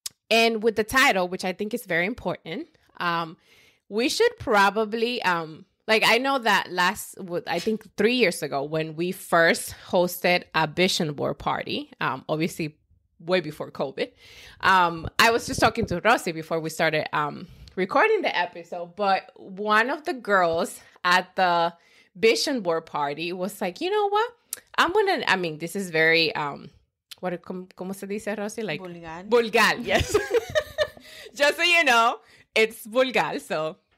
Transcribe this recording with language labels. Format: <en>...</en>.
<en>And with the title, which I think is very important, we should probably, like I know that I think 3 years ago when we first hosted a vision board party, obviously way before COVID, I was just talking to Rosy before we started recording the episode, but one of the girls at the vision board party was like, you know what? This is very,</en> <es>¿cómo se dice, Rosy?</es> <en>Like, vulgar. Vulgar, yes. Just so you know, it's vulgar, so.</en>